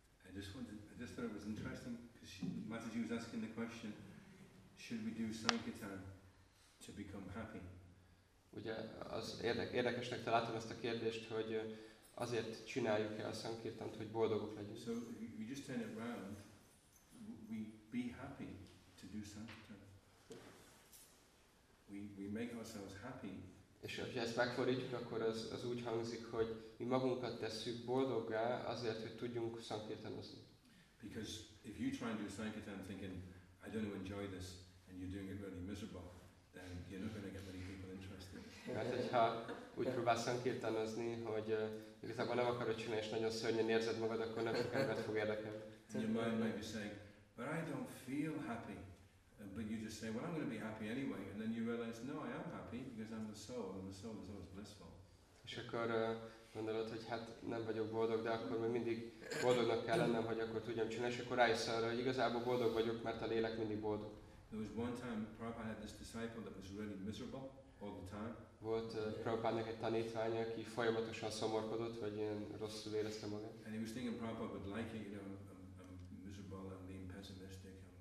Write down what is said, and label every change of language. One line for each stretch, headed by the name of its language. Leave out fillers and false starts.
English: I just wanted, I just thought it was interesting because Mataji was asking the question, should we do sankirtan to become happy?
Hungarian: Ugye az érdekesnek találtam ezt a kérdést, hogy azért csináljuk-e a sankirtant, hogy boldogok legyünk.
English: So we just turn it round, we be happy to do sankirtan. We make ourselves happy.
Hungarian: És ha ezt megfordítjuk, akkor az úgy hangzik, hogy mi magunkat tesszük boldoggá azért, hogy tudjunk sankirtanozni.
English: Because if you try and do sankirtan thinking I don't enjoy this and you're doing it really miserable, then you're not going to get many people interested.
Hungarian: Hát, hogyha úgy próbálsz sankirtanozni, hogy igazából nem akarod csinálni, és nagyon szörnyen érzed magad, akkor nem sok embert fog érdekelni.
English: And your mind might be saying, but I don't feel happy. But you just say, well, I'm going to be happy anyway, and then you realize, no, I am happy because I'm the soul, and the soul is always blissful.
Hungarian: És akkor gondolod, hogy hát nem vagyok boldog, de akkor még mindig boldognak kell lennem, hogy akkor tudjam csinálni, és akkor rájössz arra, hogy igazából boldog vagyok, mert a lélek mindig boldog.
English: There was one time Prabhupada had this disciple that was really miserable all the time.
Hungarian: Volt Prabhupádnak egy tanítványa, aki folyamatosan szomorkodott, vagy ilyen rosszul érezte magát.
English: And he was thinking Prabhupada would like it, you know, I'm miserable, I'm being pessimistic.